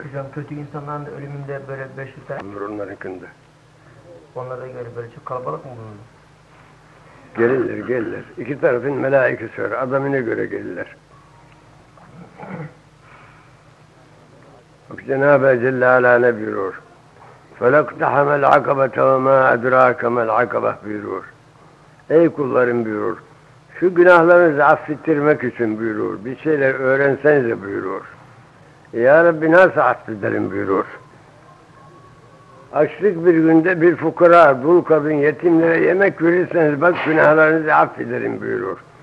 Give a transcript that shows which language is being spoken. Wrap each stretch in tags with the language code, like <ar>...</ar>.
<tr>Hocam kötü insanların ölümünde böyle 500 tane olur onlarınkinde. Onlara göre böyle çok kalabalık mı bunun? Gelirler, gelirler. İki tarafın melaikesi var. Adamına göre gelirler. Bak Cenab-ı Celle'ye ne buyuruyor?</tr> <ar>فَلَقْتَحَمَ الْعَقَبَةَ وَمَا اَدْرَاكَ مَا الْعَقَبَةَ buyuruyor.</ar> <tr>Ey kullarım buyuruyor. Şu günahlarınızı affettirmek için buyuruyor. Bir şeyler öğrenseniz de buyuruyor. Ya Rabbi nasıl affederim buyuruyor. Açlık bir günde bir fukara, dul kadın, yetimlere yemek verirseniz bak günahlarınızı affederim buyuruyor.</tr>